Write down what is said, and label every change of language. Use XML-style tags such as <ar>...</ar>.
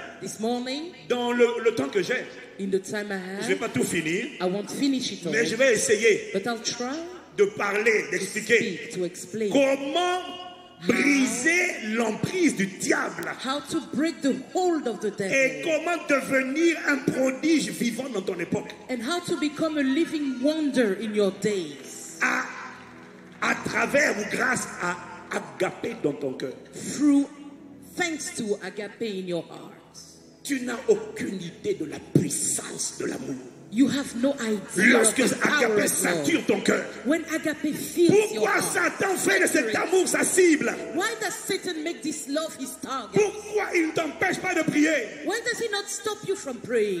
<en>This morning.</en> <fr>Dans le temps que j'ai.</fr> <en>In the time I have.</en> <fr>Je vais pas tout finir.</fr> <en>I won't finish it all.</en> <fr>Mais je vais essayer.</fr> <en>But I'll try.</en> <fr>De parler, d'expliquer.</fr> <en>To speak, to</en> <fr>comment briser l'emprise du diable.</fr> <en>How to break the hold of the devil.</en> <fr>Et comment devenir un prodige vivant dans ton époque.</fr> <en>And how to become a living wonder in your days.</en> <fr>À travers ou grâce à agapé dans ton cœur.</fr> <en>Through thanks to agapé in your heart.</en> <fr>Tu n'as aucune idée de la puissance de l'amour.</fr> <en>You have no idea.</en> <fr>Lorsque</fr> <en>of the</en> <fr>agapé</fr> <en>power</en> <fr>sature ton cœur.</fr> <en>When agapé fills</en> <fr>pourquoi</fr> <en>your heart.</en> <fr>Pourquoi Satan fait de cet amour sa cible?</fr> <en>Why does Satan make this love his target?</en> <fr>Pourquoi il ne t'empêche pas de prier?</fr> <en>Why does he not stop you from praying?</en>